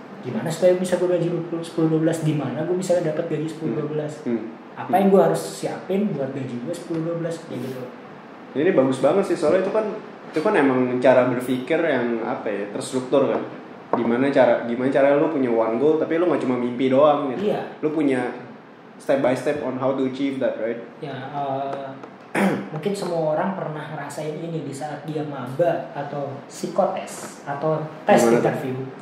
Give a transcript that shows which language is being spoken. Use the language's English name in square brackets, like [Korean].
[Indonesian] Gimana supaya bisa gue gaji 10-12? Gimana gue bisa dapat gaji 10-12? Apa yang gue harus siapin buat gaji gue 10-12? Ya gitu. Ini bagus banget sih, soalnya itu kan emang cara berpikir yang apa ya, terstruktur kan. Gimana cara lu punya one goal tapi lu gak cuma mimpi doang gitu. Iya. Lu punya [English] step by step on how to achieve that, right? [Indonesian] Ya, mungkin semua orang pernah ngerasain ini di saat dia maba atau psikotes atau tes interview.